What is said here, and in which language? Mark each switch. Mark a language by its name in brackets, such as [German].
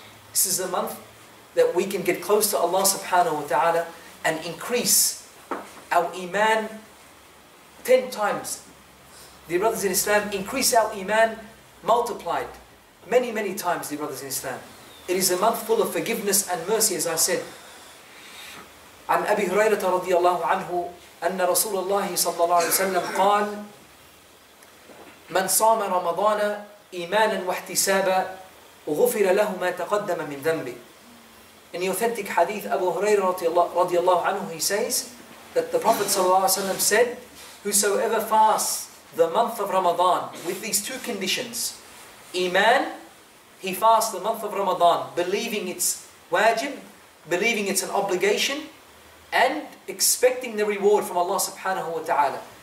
[English] This is the month that we can get close to Allah subhanahu wa ta'ala and increase our iman 10 times. Dear brothers in Islam, increase our iman multiplied many, many times, dear brothers in Islam. It is a month full of forgiveness and mercy, as I said. [Arabic] عن أبي هريرة رضي الله عنه أن رسول الله صلى الله عليه وسلم قال من صام رمضان إيمانا واحتسابا غفر له ما تقدم من ذنبه. [English] In the authentic hadith, Abu Hurairah [Arabic] رضي الله عنه, [English] he says that the Prophet [Arabic] صلى الله عليه وسلم [English] said, whosoever fasts the month of Ramadan with these two conditions, Iman, he fasts the month of Ramadan, believing it's wajib, believing it's an obligation, and expecting the reward from Allah subhanahu wa ta'ala.